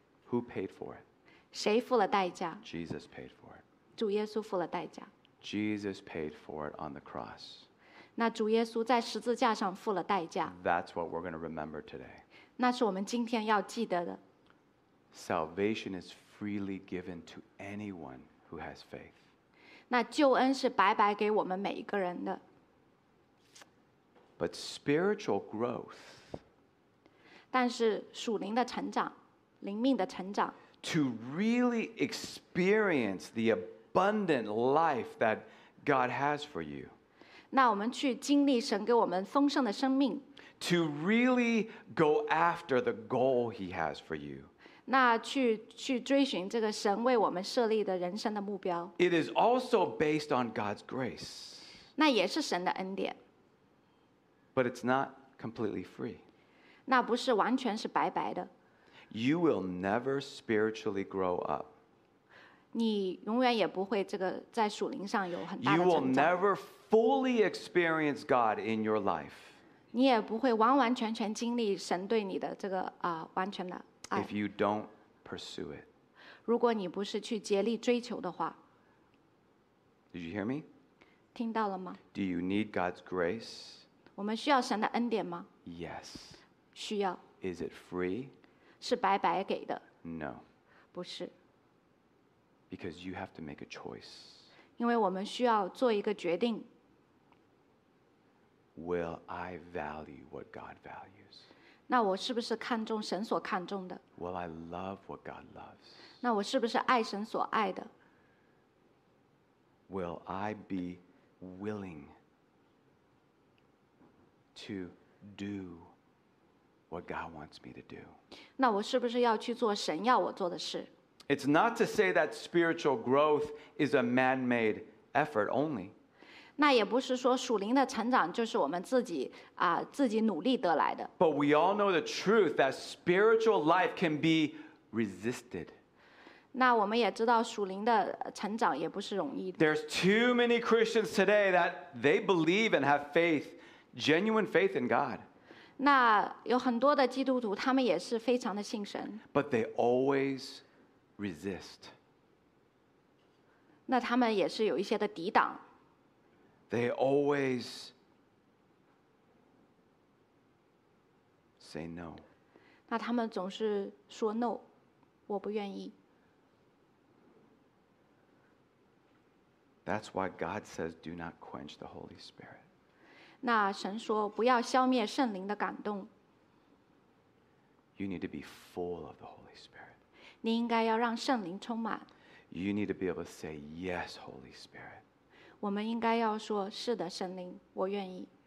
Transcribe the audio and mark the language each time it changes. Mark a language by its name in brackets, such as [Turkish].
[English] Who paid for it? [Chinese] 谁付了代价？ [English] Jesus paid for it. [Chinese] 主耶稣付了代价。 [English] Jesus paid for it on the cross. [Chinese] 那主耶稣在十字架上付了代价。 [English] That's what we're going to remember today. [Chinese] 那是我们今天要记得的。 [English] Salvation is freely given to anyone who has faith. [Chinese] 那救恩是白白给我们每一个人的。 [English] But spiritual growth. [Chinese] 但是属灵的成长，灵命的成长。 [English] To really experience the abundant life that God has for you. [Chinese] 那我们去经历神给我们丰盛的生命。 [English] To really go after the goal he has for you. [Chinese] 那去追寻这个神为我们设立的人生的目标。 [English] It is also based on God's grace. [Chinese] 那也是神的恩典。 [English] But it's not completely free. [Chinese] 那不是完全是白白的。 [English] You will never spiritually grow up. [Chinese] 你永远也不会这个在属灵上有很大的成长。 [English] You will never fully experience God in your life. [Chinese] 你也不会完完全全经历神对你的这个完全的爱。 [English] If you don't pursue it, [Chinese] 如果你不是去竭力追求的话。 [English] Did you hear me? [Chinese] 听到了吗 [English] ？Do you need God's grace? [Chinese] 我们需要神的恩典吗 [English] ？Yes. [Chinese] 需要。 [English] Is it free? [Chinese] 是白白给的 [English] ？No. [Chinese] 不是。 [English] Because you have to make a choice. [Chinese] 因为我们需要做一个决定。 [English] Will I value what God values? [Chinese] 那我是不是看重神所看重的？ [English] Will I love what God loves? [Chinese] 那我是不是爱神所爱的？ [English] Will I be willing to do what God wants me to do? [Chinese] 那我是不是要去做神要我做的事？ [English] It's not to say that spiritual growth is a man-made effort only. [Chinese] 那也不是说属灵的成长就是我们自己自己努力得来的。 [English] But we all know the truth that spiritual life can be resisted. [Chinese] 那我们也知道属灵的成长也不是容易的。 [English] There's too many Christians today that they believe and have faith, genuine faith in God. [Chinese] 那有很多的基督徒他们也是非常的信神。 [English] But they always resist. [Chinese] 那他们也是有一些的抵挡。 [English] They always say no. [Chinese] 那他们总是说 [English] no， [Chinese] 我不愿意。 [English] That's why God says, "Do not quench the Holy Spirit." [Chinese] 那神说不要消灭圣灵的感动。 [English] You need to be full of the Holy Spirit. [Chinese] 你应该要让圣灵充满。 [English] You need to be able to say yes, Holy Spirit. [Chinese] 我们应该要说是的，圣灵，我愿意。